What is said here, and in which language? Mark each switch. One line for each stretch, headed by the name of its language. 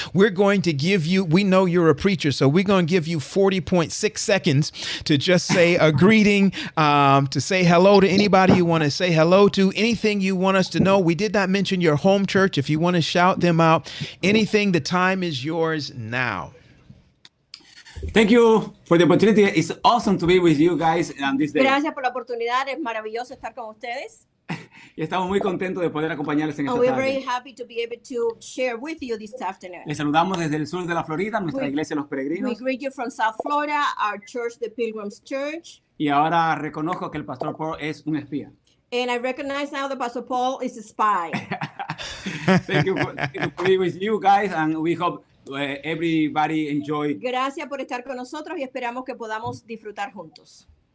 English: We're going to give you, we know you're a preacher, so we're going to give you 40.6 seconds to just say a greeting, to say hello to anybody you want to say hello to, anything you want us to know. We did not mention your home church. If you want to shout them out, anything, the time is yours now. Thank you for the opportunity. It's awesome to be with you guys on this day.
Spanish: Gracias por la oportunidad. Es maravilloso estar con ustedes. Y estamos muy contentos de poder acompañarles en esta tarde.
English: We're very happy to be able to share with you this afternoon.
Spanish: Les saludamos desde el sur de la Florida, nuestra iglesia Los Peregrinos.
English: We greet you from South Florida, our church, the Pilgrims Church.
Spanish: Y ahora reconozco que el Pastor Paul es un espía.
English: And I recognize now that Pastor Paul is a spy. thank you for being with you guys, and we hope everybody enjoy.
Spanish: Gracias por estar con nosotros y esperamos que podamos disfrutar juntos.